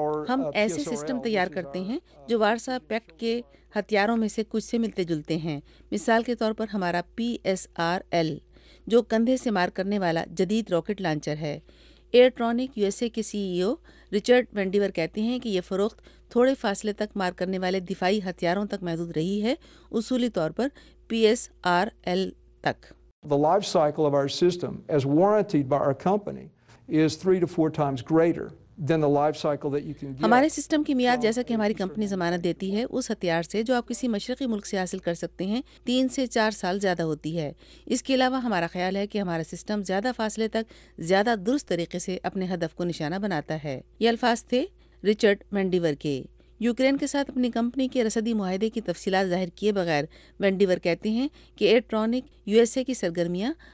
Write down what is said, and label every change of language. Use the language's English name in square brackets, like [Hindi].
[Urdu] ہم ایسے سسٹم تیار کرتے ہیں جو وارسا پیکٹ کے ہتھیاروں میں سے کچھ سے ملتے جلتے ہیں۔ مثال کے طور پر ہمارا PSRL جو کندھے سے مار کرنے والا جدید راکٹ لانچر ہے۔ ایئرٹرونک یو ایس اے کے سی ای او رچرڈ وینڈیور کہتے ہیں کہ یہ فروخت تھوڑے فاصلے تک مار کرنے والے دفاعی ہتھیاروں تک محدود رہی ہے، اصولی طور پر PSRL تک۔ [English] The life cycle of our system as warranted by our company is 3 to 4 times greater than the life cycle that you can get. [Urdu] ہمارے سسٹم کی میعاد جیسا کہ ہماری کمپنی ضمانت دیتی ہے اس ہتھیار سے جو آپ کسی مشرقی ملک سے حاصل کر سکتے ہیں 3 سے 4 سال زیادہ ہوتی ہے۔ اس کے علاوہ ہمارا خیال ہے کہ ہمارا سسٹم زیادہ فاصلے تک زیادہ درست طریقے سے اپنے ہدف کو نشانہ بناتا ہے۔ یہ الفاظ تھے رچرڈ وینڈیور کے۔ یوکرین کے ساتھ اپنی کمپنی کے رسدی معاہدے کی تفصیلات ظاہر کیے بغیر وینڈیور کہتے ہیں کہ ایئرٹرونک یو ایس اے کی سرگرمیاں